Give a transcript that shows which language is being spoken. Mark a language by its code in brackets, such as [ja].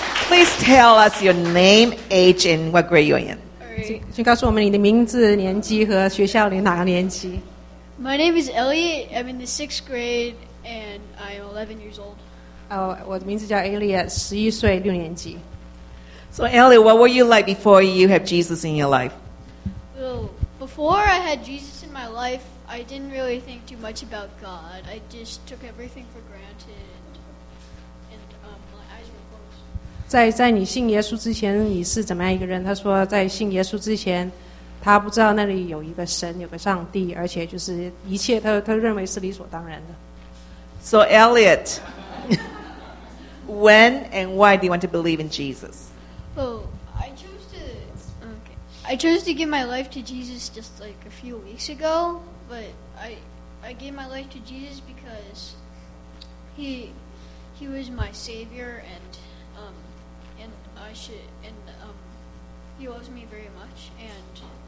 [en] Please tell us your name, age, and what grade you're in. [zh] 请告诉我们你的名字、年级和学校里哪个年级。 [en] My name is Elliot. I'm in the sixth grade, and I'm 11 years old. [zh] 我的名字叫 Elliot, 11岁六年级。 [en] So Elliot, what were you like before you have Jesus in your life? Well, before I had Jesus in my life, I didn't really think too much about God. I just took everything for granted, and my eyes were closed. [zh] 在你信耶稣之前，你是怎么样一个人？他说，在信耶稣之前。他不知道那里有一个神，有个上帝，而且就是一切他认为是理所当然的。 [en] So Elliot, when and why do you want to believe in Jesus? I chose to give my life to Jesus just like a few weeks ago, but I gave my life to Jesus because he was my savior and he loves me very much and.